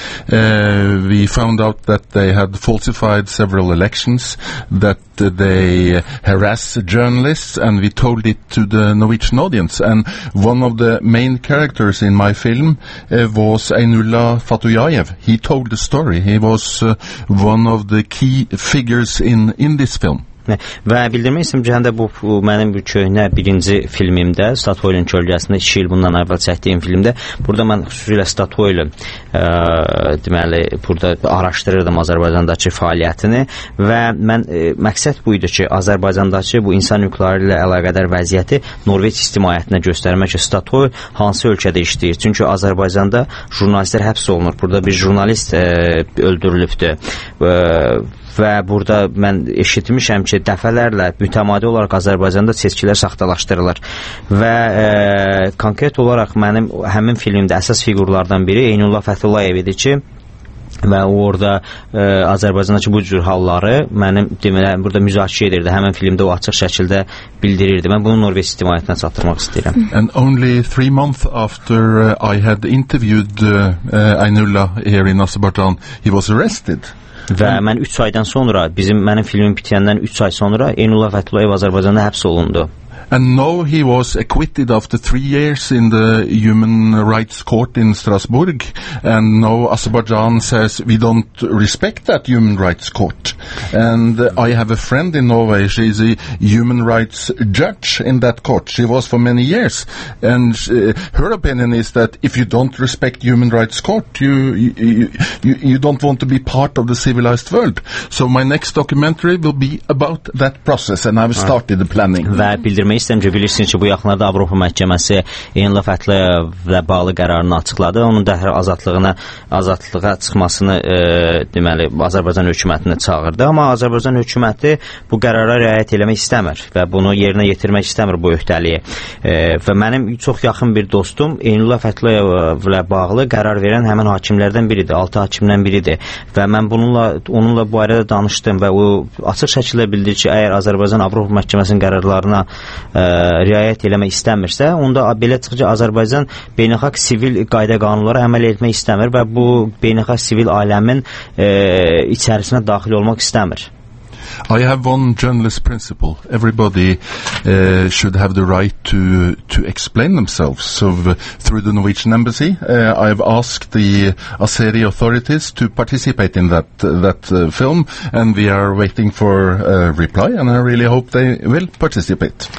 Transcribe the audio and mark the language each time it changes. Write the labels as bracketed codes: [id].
[en] We found out that they had falsified several elections, that they harassed journalists, and we told it to the Norwegian audience. And one of the main characters in my film was Ainula Fatullayev. He told the story. He was one of the key figures in this film. [az] Və bildirmək istəyirəm ki, həndə bu mənim köhnə birinci filmimdə, Statoil'in kölgəsində, 2 il bundan əvvəl çəkdiyim filmdə, burada mən xüsusilə Statoil'in, deməli, burada araşdırırdım Azərbaycandakı fəaliyyətini və mən məqsəd bu idi ki, Azərbaycandakı bu insan hüquqları ilə əlaqədar vəziyyəti Norveç istimaiyyətinə göstərmək ki, Statoil hansı ölkədə işləyir. Çünki Azərbaycanda jurnalistlər həbs olunur, burada bir jurnalist öldürülübdür. Və burada mən eşitmişəm ki, dəfələrlə mütəmadi olaraq Azərbaycanda seçkilər saxtalaşdırılır. Və konkret olaraq mənim həmin filmdə əsas fiqurlardan biri Ainula Fatullayev idi ki, və orada Azərbaycandakı bu cür halları mənim deməli burada müzakirə edirdi. Həmin filmdə o açıq şəkildə bildirirdi. Mən bunu Norveç istimaiyyətinə çatdırmaq istəyirəm. [en] And only 3 months after I had interviewed Ainula here in Azerbaijan, he was arrested. [az] Və mən 3 aydan sonra, mənim filmim bitəndən 3 ay sonra Ainula Fatullayev Azərbaycanda həbs olundu. [en] And now he was acquitted after 3 years in the Human Rights Court in Strasbourg. And now Azerbaijan says, we don't respect that Human Rights Court. And I have a friend in Norway, she is a human rights judge in that court. She was for many years. And her opinion is that if you don't respect Human Rights Court, you don't want to be part of the civilized world. So my next documentary will be about that process. And I've started the planning. [az] İstəyirəm ki, bilirsiniz ki, bu yaxınlarda Avropa Məhkəməsi Ainula Fatullayevlə bağlı qərarını açıqladı. Onun dəhər azadlığa çıxmasını deməli, Azərbaycan hökumətini çağırdı. Amma Azərbaycan hökuməti bu qərara riayət eləmək istəmir və bunu yerinə yetirmək istəmir bu öhdəliyi. Və mənim çox yaxın bir dostum Ainula Fatullayevlə bağlı qərar verən həmin hakimlərdən biridir, 6 hakimdən biridir. Və mən onunla bu arada danışdım və o açıq şəkildə bildirir ki, əgər Azərbaycan Avropa Məhkəməsinin qərarlarına riayət eləmək istəmirsə, onda belə çıxıcı Azərbaycan beynəlxalq sivil qayda qanunlara əməl etmək istəmir və bu beynəlxalq sivil aləmin içərisinə daxil olmaq istəmir. [en] I have one journalist principle. Everybody should have the right to explain themselves. So through the Norwegian embassy, I have asked the Azeri authorities to participate in that film, and we are waiting for a reply, and I really hope they will participate.